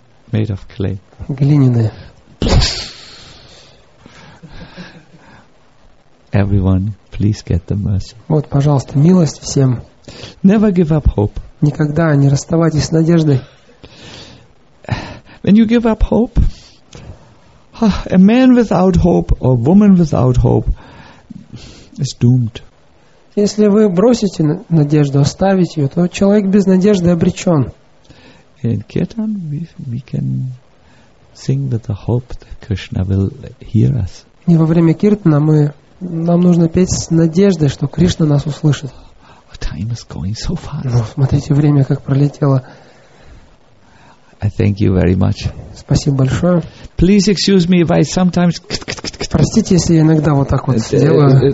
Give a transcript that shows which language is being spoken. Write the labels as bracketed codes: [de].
[en] Made of clay. [ru] Глиняные. [en] Everyone, please get the mercy. [ru] Вот, пожалуйста, милость всем. [en] Never give up hope. [ru] никогда не расставайтесь с надеждой. [en] When you give up hope, a man without hope or woman without hope is doomed. [ru] Если вы бросите надежду, оставите ее, то человек без надежды обречен. [en] In Kirtan we can sing that the hope that Krishna will hear us. [ru] И во время Киртана нам нужно петь с надеждой, что Кришна нас услышит. [en] Time is going so fast. [ru] Ну, смотрите, время как пролетело. [en] I thank you very much. [ru] Спасибо большое. [en] Please excuse me if I sometimes. [ru] Простите, если я иногда вот так вот делаю.